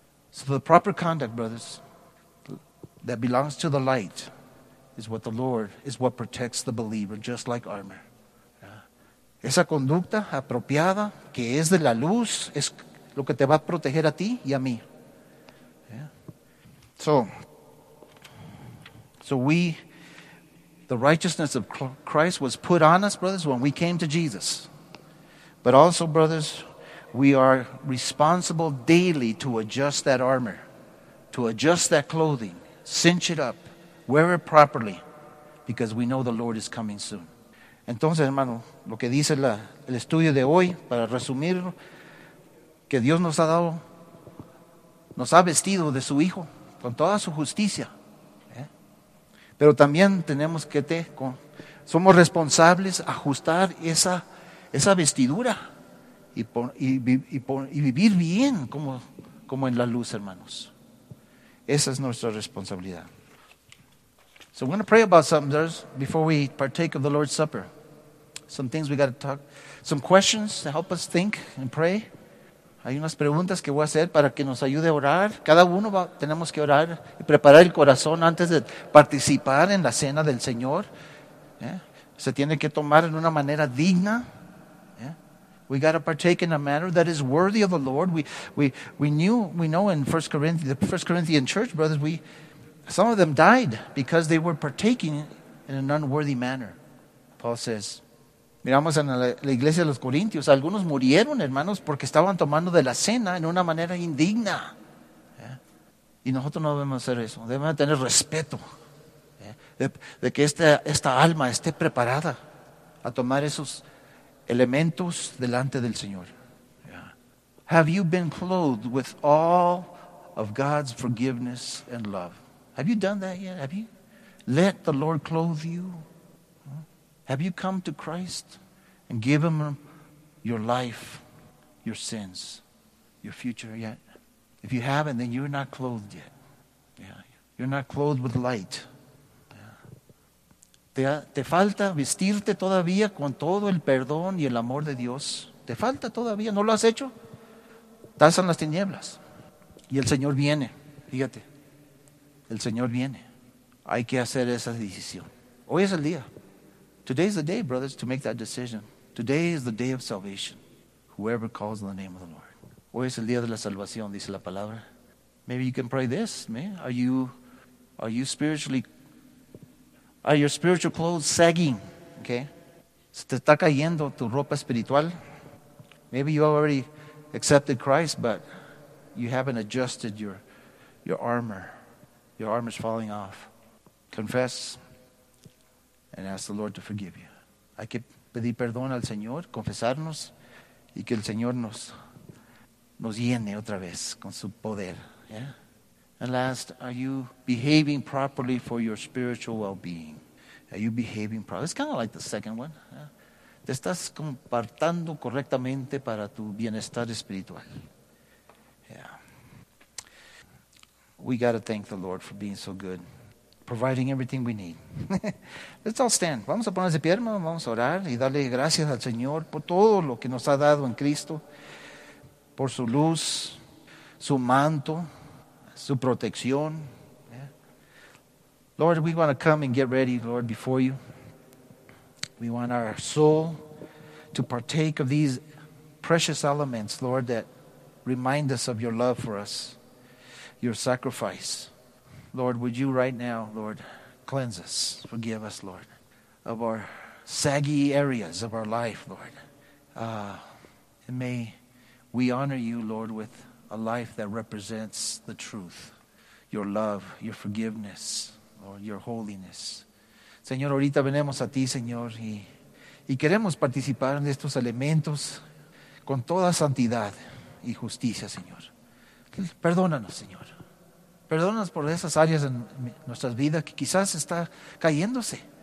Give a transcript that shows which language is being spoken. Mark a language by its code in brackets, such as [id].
[en] So the proper conduct, brothers, that belongs to the light, is what the Lord, is what protects the believer, just like armor. [es] Esa conducta apropiada, que es de la luz, es lo que te va a proteger a ti y a mí. [en] So we, the righteousness of Christ was put on us, brothers, when we came to Jesus. But also, brothers, we are responsible daily to adjust that armor, to adjust that clothing, cinch it up, wear it properly, because we know the Lord is coming soon. [es] Entonces, hermano, lo que dice el estudio de hoy, para resumirlo, que Dios nos ha dado, nos ha vestido de su Hijo con toda su justicia. Pero también tenemos que somos responsables ajustar esa vestidura y vivir bien como en la luz, hermanos. Esa es nuestra responsabilidad. [en] So we're going to pray about something before we partake of the Lord's Supper. Some things we got to talk. Some questions to help us think and pray. [es] Hay unas preguntas que voy a hacer para que nos ayude a orar. Cada uno tenemos que orar y preparar el corazón antes de participar en la cena del Señor. Se tiene que tomar en una manera digna. [en] We got to partake in a manner that is worthy of the Lord. We know in the First Corinthian church, brothers, some of them died because they were partaking in an unworthy manner. Paul says, [es] miramos en la iglesia de los Corintios, algunos murieron, hermanos, porque estaban tomando de la cena en una manera indigna. Y nosotros no debemos hacer eso, debemos tener respeto de que esta alma esté preparada a tomar esos elementos delante del Señor. [en] Have you been clothed with all of God's forgiveness and love? Have you done that yet? Have you let the Lord clothe you? Have you come to Christ and give him your life, your sins, your future yet? If you haven't, then you're not clothed yet. You're not clothed with light. [es] ¿Te falta vestirte todavía con todo el perdón y el amor de Dios? ¿Te falta todavía? ¿No lo has hecho? Estás en las tinieblas. Y el Señor viene. Fíjate. El Señor viene. Hay que hacer esa decisión. Hoy es el día. [en] Today is the day, brothers, to make that decision. Today is the day of salvation. Whoever calls on the name of the Lord. [es] Hoy es el día de la salvación, dice la palabra. [en] Maybe you can pray this, man. Are you Are you spiritually, are your spiritual clothes sagging? Okay. [es] ¿Se te está cayendo tu ropa espiritual? [en] Maybe you already accepted Christ, but you haven't adjusted your armor. Your armor's falling off. Confess and ask the Lord to forgive you. [es] Hay que pedir perdón al Señor, confesarnos y que el Señor nos llene otra vez con su poder. [en] Yeah? And last, are you behaving properly for your spiritual well-being? Are you behaving properly? It's kind of like the second one. Yeah? [es] ¿Te estás comportando correctamente para tu bienestar espiritual? [en] Yeah. We got to thank the Lord for being so good, providing everything we need. Let's all stand. [es] Vamos a ponernos de pie, hermano. Vamos a orar y darle gracias al Señor por todo lo que nos ha dado en Cristo, por su luz, su manto, su protección. [en] Yeah. Lord, we want to come and get ready, Lord, before you. We want our soul to partake of these precious elements, Lord, that remind us of your love for us, your sacrifice. Lord, would you right now, Lord, cleanse us, forgive us, Lord, of our saggy areas of our life, Lord. And may we honor you, Lord, with a life that represents the truth, your love, your forgiveness, Lord, your holiness. [es] Señor, ahorita venimos a ti, Señor, y queremos participar en estos elementos con toda santidad y justicia, Señor. Perdónanos, Señor. Perdónanos por esas áreas en nuestras vidas que quizás está cayéndose.